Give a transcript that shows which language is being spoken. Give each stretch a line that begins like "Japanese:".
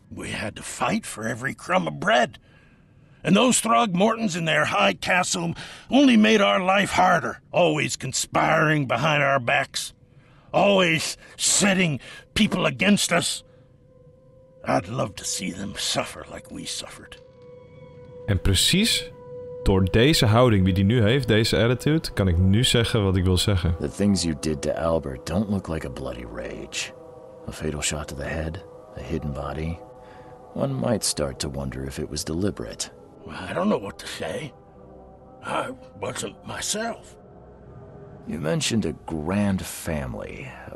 English: We had to fight for every crumb of bread. And those Throgmortons in their high castle only made our life harder, always conspiring behind our backs, always setting people against us. I'd love to see them suffer like we suffered.
Dutch: En precies door deze houding die hij nu heeft, deze attitude, kan ik nu zeggen wat ik wil zeggen.
English: The things you did to Albert don't look like a bloody rage. A fatal shot to the head, a hidden body. One might start to wonder if it was deliberate. Well, I don't know what to say. I wasn't myself. You mentioned a grand family.